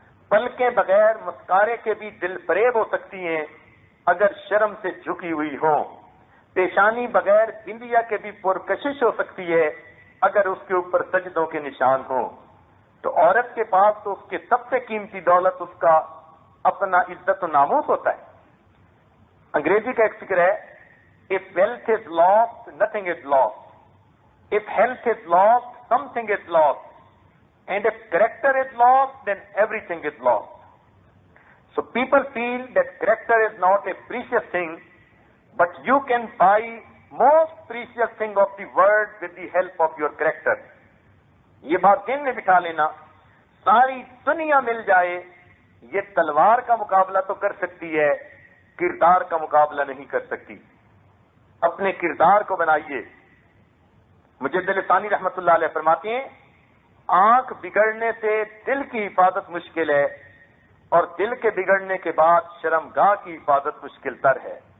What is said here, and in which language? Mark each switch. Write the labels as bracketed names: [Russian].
[Urdu] پلکیں بغیر مسکارے کے بھی دل فریب ہو سکتی ہیں اگر شرم سے جھکی ہوئی ہو. پیشانی بغیر بندیا کے بھی پرکشش ہو سکتی ہے اگر اس کے اوپر سجدوں کے نشان ہو. تو عورت کے پاس تو اس کے سب سے قیمتی دولت اس کا اپنا عزت و ناموس ہوتا ہے. انگریزی کا ایک فکر ہے، [English] If wealth is lost, nothing is lost. If health is lost, something is lost. And if character is lost, then everything is lost. So people feel that character is not a precious thing, but you can buy most precious thing of the world with the help of your character. [Urdu] یہ بات دن میں بٹھا لینا، ساری دنیا مل جائے یہ تلوار کا مقابلہ تو کر سکتی ہے، کردار کا مقابلہ نہیں کر سکتی. اپنے کردار کو بنائیے. مجدد ثانی رحمت اللہ علیہ فرماتے ہیں، آنکھ بگڑنے سے دل کی حفاظت مشکل ہے اور دل کے بگڑنے کے بعد شرمگاہ کی حفاظت مشکل تر ہے.